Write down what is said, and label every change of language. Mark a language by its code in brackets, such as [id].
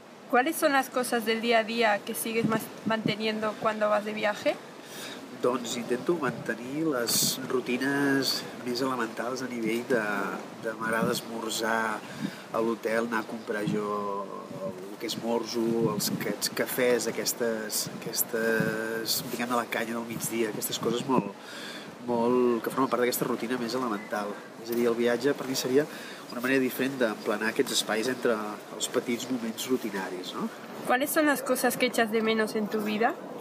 [es] ¿Cuáles son las cosas del día a día que sigues manteniendo cuando vas de viaje? [ca] Doncs intento mantenir les rutines més elementals a nivell de m'agrada esmorzar a l'hotel, anar a comprar jo el que esmorzo, aquests cafès, aquestes diguem de la canya del migdia, aquestes coses molt que formen part d'aquesta rutina més elemental. És a dir, el viatge per mi seria una manera diferent d'emplenar aquests espais entre els petits moments rutinaris, no? [es] ¿Cuáles son las cosas que echas de menos en tu vida?